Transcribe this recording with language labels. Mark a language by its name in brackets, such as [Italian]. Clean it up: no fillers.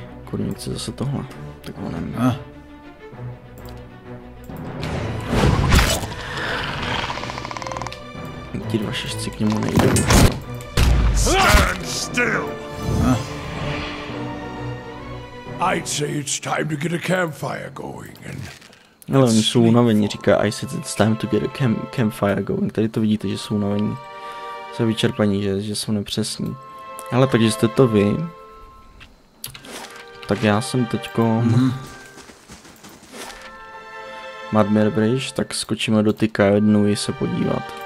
[Czech] Kurník, co je zase tohle? Tak ho nevím. Ti dva šešci k němu nejdou. [English] Stand still! I'd say it's time to get a campfire going and... [Czech] Hele, oni jsou unavení, říká, [English] I said it's time to get a campfire going. [Czech] Tady to vidíte, že jsou unavení. Jsou vyčerpaní, že jsou nepřesní. Hele, takže jste to vy. Tak já jsem teďko... Madmir Bridge, tak skočíme do ty K1 se podívat.